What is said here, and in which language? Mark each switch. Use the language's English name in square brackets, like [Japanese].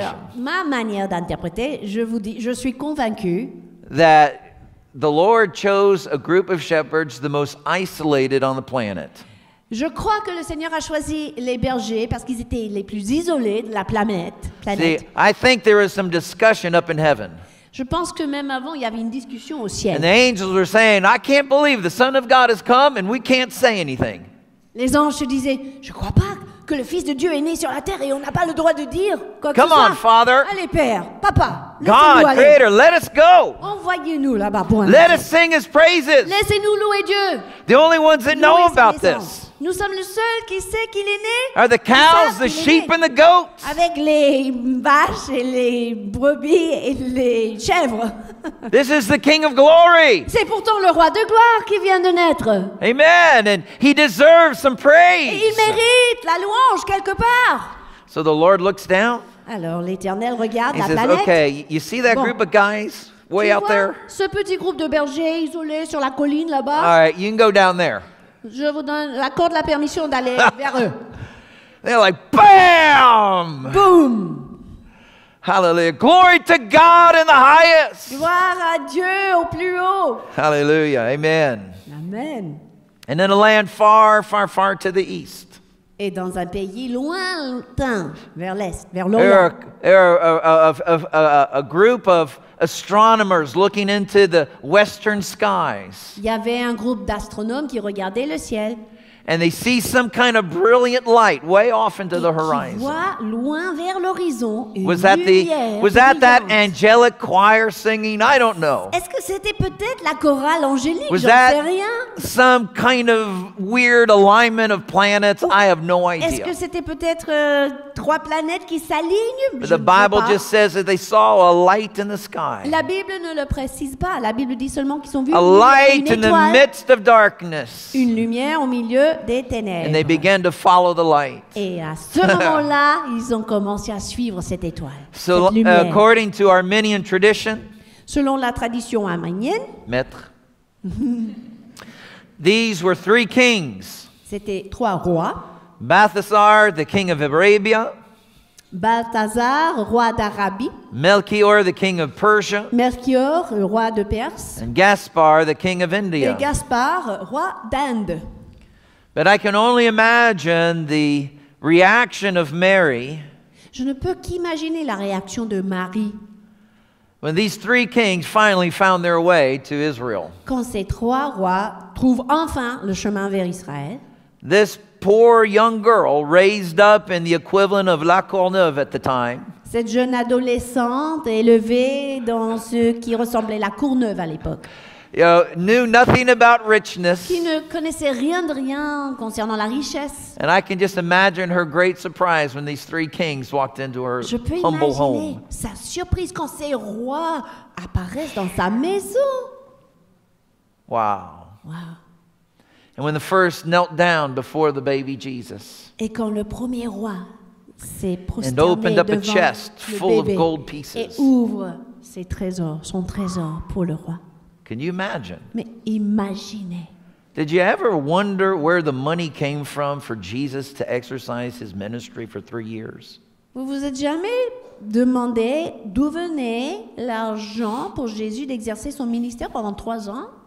[French] Alors, ma manière d'interpréter, je vous dis, je suis convaincu [English] that the Lord chose a group of shepherds the most isolated on the planet. [French] Je crois que le Seigneur a choisi les bergers parce qu'ils étaient les plus isolés de la planète. [English] See, I think there was some discussion up in heaven. [French] Je pense que même avant, il y avait une discussion au ciel. [English] And the angels were saying, "I can't believe the Son of God has come and we can't say anything." [French] Les anges se disaient, je crois pas que le Fils de Dieu est né sur la terre et on n'a pas le droit de dire quoi [English] come [French] que ce soit. [English] Come on, Father. [French] Allez, Père, Papa. [English] God, [French] aller. [English] Creator, let us go. [French] Envoyez-nous là-bas pour un [English] let us sing His praises. [French] Laissez-nous louer Dieu. [English] The only ones that [French] louer [English] know about this. [French] Anges. Nous sommes le seul qui sait qu'il est né. [English] Are the cows, the sheep, and the goats? [French] Avec les vaches et les brebis et les chèvres. [English] This is the King of Glory. [French] C'est pourtant le roi de gloire qui vient de naître. [English] Amen. And he deserves some praise. [French] Et il mérite la louange quelque part. [English] So the Lord looks down. [French] Alors l'Éternel regarde la planète. [English] He says, "Okay, you see that group of guys way out there? [French] Ce petit groupe de bergers isolés sur la colline là-bas. [English] All right, you can go down there." [French] Je vous donne, accorde la permission d'aller vers eux. [English] They're like, bam! Boom! Hallelujah! Glory to God in the highest! [French] Gloire à Dieu au plus haut! [English] Hallelujah! Amen! Amen! And in a land far, far, far to the east. [French] Et dans un pays lointain, vers l'est, vers l'ouest. [English] There are a group of astronomers looking into the western skies. [French] Il y avait un groupe d'astronomes qui regardaient le ciel. [English] And they see some kind of brilliant light way off into [French] et [English] the horizon. [French] Voient loin vers l'horizon une [English] was that [French] lumière [English] the, was that that angelic choir singing? I don't know. [French] Est-ce que c'était peut-être la chorale angélique? [English] Was [French] j'en [English] that [French] sais rien. [English] Some kind of weird alignment of planets? Ouh. I have no idea. [French] Est-ce que c'était peut-être trois planètes qui s'alignent? [English] But the Bible just says that they saw a light in the sky. [French] La Bible ne le précise pas. La Bible dit seulement qu'ils ont vu [English] a light in the midst of darkness. [French] Une lumière au milieu des ténèbres. [English] And they began to follow the light. [French] Et à ce moment-là, ils ont commencé à suivre cette étoile. [English] So, [French] cette lumière. [English] According to Arminian tradition, [French] selon la tradition arménienne, maître, [English] these were three kings. [French] C'était trois rois. [English] Balthasar, the king of Arabia. [French] Balthasar, roi d'Arabie. [English] Melchior, the king of Persia. [French] Melchior, le roi de Perse. [English] And Gaspar, the king of India. [French] Et Gaspar, roi d'Inde. [English] But I can only imagine the reaction of Mary. [French] Je ne peux qu'imaginer la réaction de Marie. [English] When these three kings finally found their way to Israel. [French] Quand ces trois rois trouvent enfin le chemin vers Israël. [English] This poor young girl raised up in the equivalent of La Courneuve at the time. [French] Cette jeune adolescente élevée dans ce qui ressemblait la Courneuve à l'époque. [English] You know, knew nothing about richness. [French] Qui ne connaissait rien de rien concernant la richesse. [English] And I can just imagine her great surprise when these three kings walked into her [French] Je peux [English] humble [French] imaginer [English] home. [French] Sa surprise quand ces rois apparaissent dans sa maison. Wow. Wow. [English] And when the first knelt down before the baby Jesus. [French] Et quand le premier roi s'est prosterné [English] and opened up a chest full of gold pieces. [French] Et ouvre ses trésors, son trésor pour le roi. [English] Can you imagine? [French] Mais imaginez. [English] Did you ever wonder where the money came from for Jesus to exercise his ministry for 3 years? [French] Vous vous êtes jamais demandé d'où venait l'argent pour Jésus d'exercer son ministère pendant 3 ans?